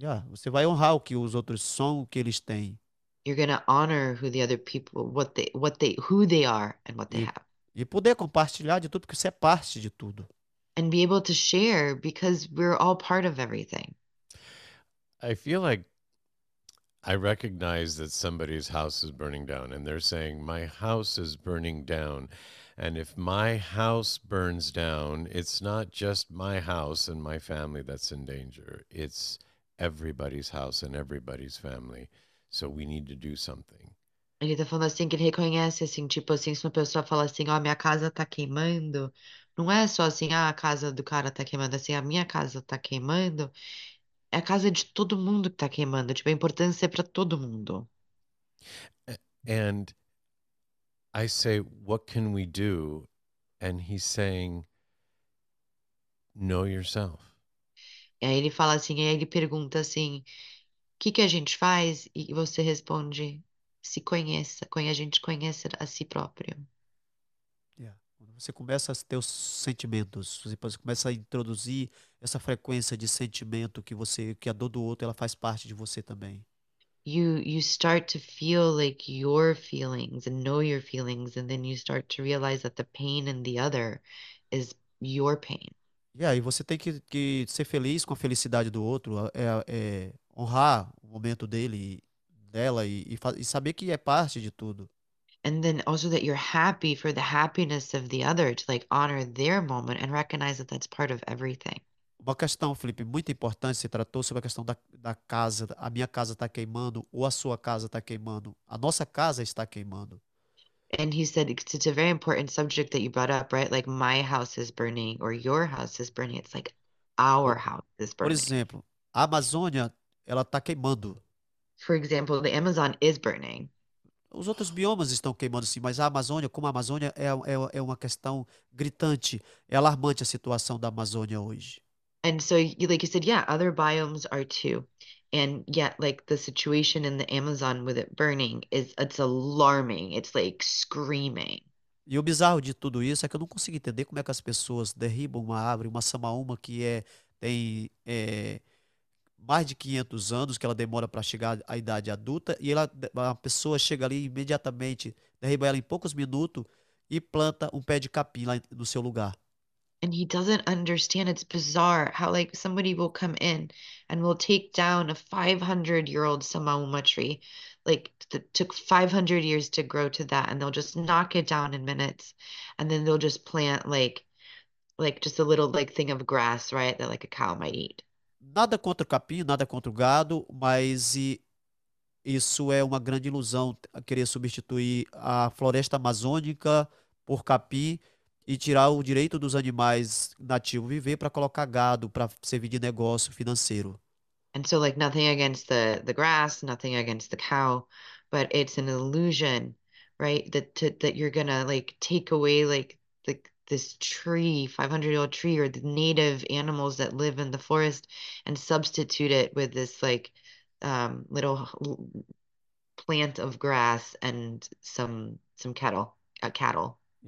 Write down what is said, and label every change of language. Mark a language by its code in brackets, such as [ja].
[pt] Você vai honrar o que os outros são, o que eles têm. [en] You're going to honor who the other people, who they are and what they [pt] E [en] have. [pt] poder compartilhar de tudo, porque você é parte de tudo. [en] And be able to share because we're all part of everything. I feel like I recognize that somebody's house is burning down, and they're saying, "My house is burning down." And if my house burns down, it's not just my house and my family that's in danger. It's everybody's house and everybody's family. So we need to do something. [pt] Ele tá falando assim, que ele reconhece, assim, tipo assim, se uma pessoa fala assim, ó, minha casa tá queimando, não é só assim, ah, a casa do cara tá queimando, assim, a minha casa tá queimando, é a casa de todo mundo que tá queimando, tipo, a importância é pra todo mundo. [en] And I say, what can we do? And he's saying, know yourself. [pt] E aí ele fala assim, aí ele pergunta assim, o que que a gente faz? E você responde. Se conheça, a gente conheça a si próprio. Você começa a ter os sentimentos, você começa a introduzir essa frequência de sentimento que você, que a dor do outro, ela faz parte de você também. [en] You start to feel like your feelings and know your feelings, and then you start to realize that the pain in the other is your pain. [pt] E aí você tem que ser feliz com a felicidade do outro, honrar o momento dele, dela, e saber que é parte de tudo. [en] And then also that you're happy for the happiness of the other, to like honor their moment and recognize that that's part of everything. [pt] Uma questão, Felipe, muito importante, você tratou sobre a questão da casa, a minha casa está queimando ou a sua casa está queimando, a nossa casa está queimando. [en] And he said it's a very important subject that you brought up, right? Like my house is burning or your house is burning. It's like our house is [pt] Por [en] burning. [pt] exemplo, a Amazônia, ela está queimando. [en] For example, the Amazon is burning. [pt] Os outros biomas estão queimando, sim, mas a Amazônia, como a Amazônia é uma questão gritante, é alarmante a situação da Amazônia hoje. [en] And so, like you said, yeah, other biomes are too. And yet, like the situation in the Amazon with it burning is, it's alarming. It's like screaming. [pt] E o bizarro de tudo isso é que eu não consigo entender como é que as pessoas derribam uma árvore, uma samaúma que tem mais de 500 anos, que ela demora para chegar à idade adulta, e a pessoa chega ali imediatamente, derriba ela em poucos minutos e planta um pé de capim lá no seu lugar. [en] And he doesn't understand. It's bizarre how like somebody will come in and will take down a 500-year-old Samaúma tree, like that took 500 years to grow to that, and they'll just knock it down in minutes, and then they'll just plant like just a little like thing of grass, right, that like a cow might eat. [pt] Nada contra o capim, nada contra o gado, mas isso é uma grande ilusão, querer substituir a floresta amazônica por capim e tirar o direito dos animais nativos viver para colocar gado, para servir de negócio financeiro. [en] And so, like, nothing against the grass, nothing against the cow, but it's an illusion, right? That you're gonna like take away like this tree, 500-year-old tree, or the native animals that live in the forest, and substitute it with this like little plant of grass and some cattle, a cattle.